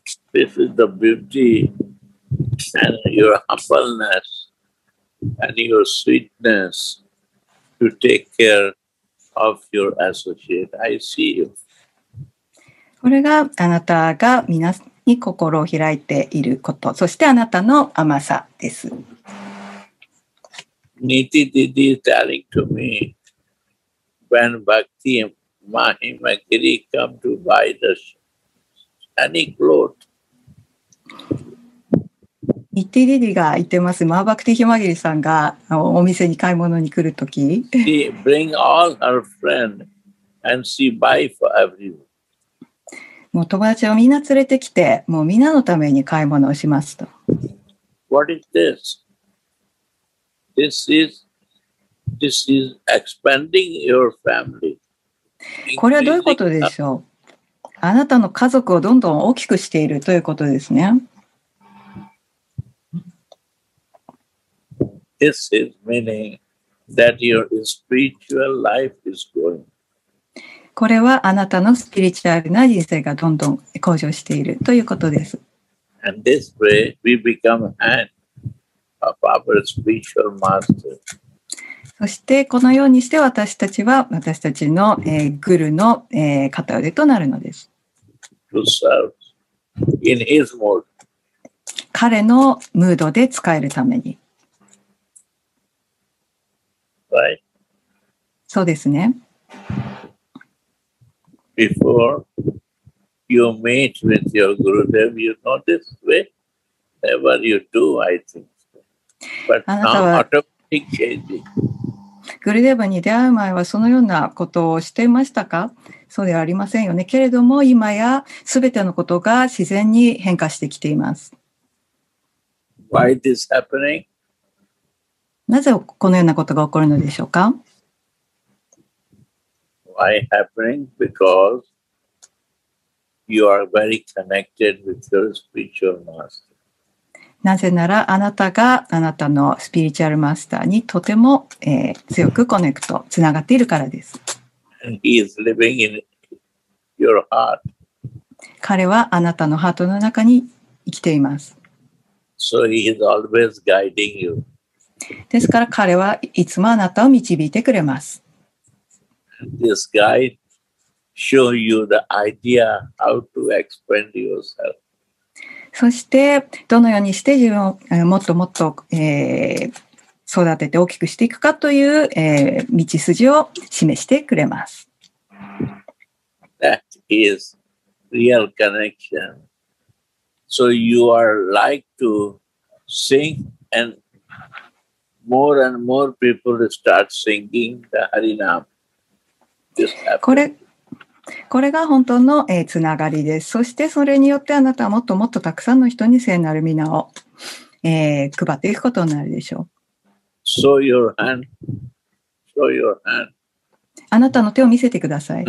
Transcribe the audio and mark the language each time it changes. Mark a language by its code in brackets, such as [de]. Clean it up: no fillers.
[en] This is the beauty and your humbleness and your sweetness to take careOf your associate, I see you. [ja] これがあなたが皆に心を開いていること、そしてあなたの甘さです。 [en] Niti Didi is telling to me when Bhakti Mahimagiri come to buy the shiny clothes. [ja] ニティリリが言ってます。マーバクティヒマギリさんがお店に買い物に来るとき。 [en] She bring all her friends and she buy for everyone. [ja] もう友達をみんな連れてきて、もうみんなのために買い物をしますと。 [en] What is this? This is expanding your family. [ja] これはどういうことでしょう？あなたの家族をどんどん大きくしているということですね。 [en] This is meaning that your spiritual life is growing. [ja] これはあなたのスピリチュアルな人生がどんどん向上しているということです。 [en] And this way we become hand of our spiritual master. [ja] そしてこのようにして私たちは私たちの、グルの、片腕となるのです。 [en] To serve in his mood. [ja] 彼のムードで使えるために。 [en] Right. [ja] そうですね。 [en] Before you meet with your Gurudev, you know this way. Whatever you do, I think. But now automatic changing. [ja] Gurudev に出会う前はそのようなことをしていましたか？そうではありませんよね。けれども今やすべてのことが自然に変化してきています。 [en] Why this happening? [ja] なぜこのようなことが起こるのでしょうか？ [en] Why happening? Because you are very connected with your spiritual master. [ja] なぜならあなたがあなたのスピリチュアルマスターにとても、強くコネクト、つながっているからです。 [en] And he is living in your heart. [ja] 彼はあなたのハートの中に生きています。 [en] So he is always guiding you. [ja] ですから彼はいつもあなたを導いてくれます。 [en] This guide show you the idea how to expand yourself. [ja] そしてどのようにして自分をもっともっと、育てて大きくしていくかという、道筋を示してくれます。 [en] That is real connection. So you are like to sing andMore and more people start singing the Harinam. [ja] これが本当の、つながりです。そしてそれによってあなたはもっともっとたくさんの人に聖なる皆を、配っていくことになるでしょう。 [en] Show your hand. [ja] あなたの手を見せてください。